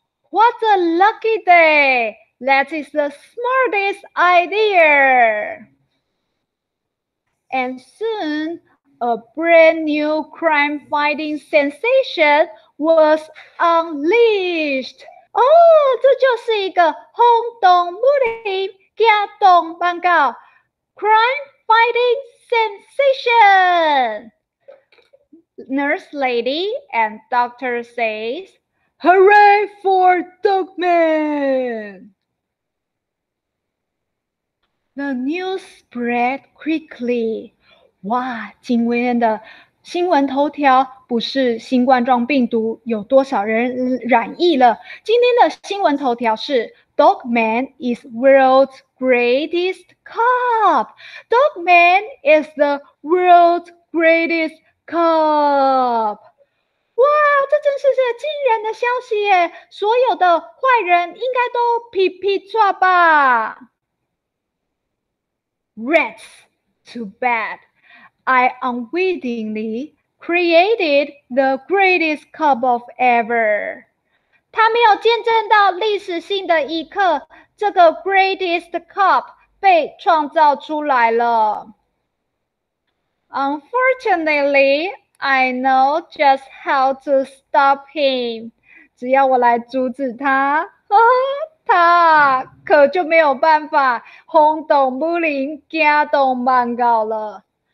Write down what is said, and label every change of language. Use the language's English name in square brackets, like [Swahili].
[English] What a lucky day! That is the smartest idea. And soon, a brand new crime-fighting sensation was unleashed. [Chinese] Oh, 这就是一个轰动武林、惊动邦告 [English] crime-fighting sensation. Nurse lady and doctor says, Hooray for Dogman! The news spread quickly. [Chinese] 哇，今天的新闻头条不是新冠状病毒有多少人染疫了。今天的新闻头条是 [English] Dogman is world's greatest cop. Dogman is the world's greatest cop. [Chinese] 哇，这真是个惊人的消息耶，所有的坏人应该都皮皮抓吧。 [English] Rats, too bad. I unwittingly created the greatest cop of ever. [Chinese] 他没有见证到历史性的一刻，这个 [English] greatest cop [Chinese] 被创造出来了。 [English] Unfortunately, I know just how to stop him. [Chinese] 只要我来阻止他，他可就没有办法轰动武林、惊动万教了。